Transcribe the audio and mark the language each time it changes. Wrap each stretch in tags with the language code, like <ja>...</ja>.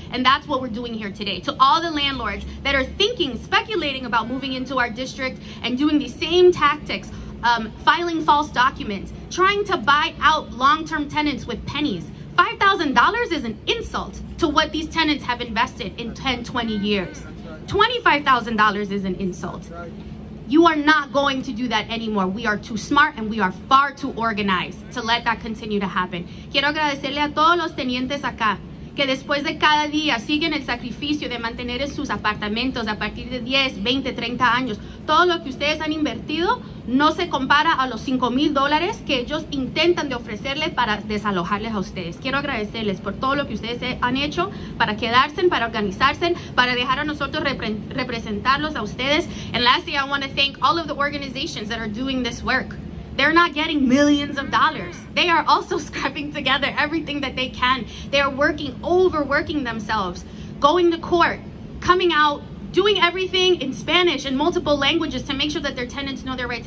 <en>And that's what we're doing here today. To all the landlords that are thinking, speculating about moving into our district and doing the same tactics, filing false documents, trying to buy out long-term tenants with pennies, $5,000 is an insult to what these tenants have invested in 10, 20 years. $25,000 is an insult. You are not going to do that anymore. We are too smart and we are far too organized to let that continue to happen.</en> <es>Quiero agradecerle a todos los tenientes acá que después de cada día siguen el sacrificio de mantener sus apartamentos a partir de 10, 20, 30 años. Todo lo que ustedes han invertido no se compara a los $5,000 que ellos intentan de ofrecerles para desalojarles a ustedes. Quiero agradecerles por todo lo que ustedes han hecho para quedarse, para organizarse, para dejar a nosotros representarlos a ustedes.</es> <en>And lastly, I want to thank all of the organizations that are doing this work. They're not getting millions of dollars. They are also scrapping together everything that they can. They are working, overworking themselves, going to court, coming out, doing everything in Spanish and multiple languages to make sure that their tenants know their rights.</en>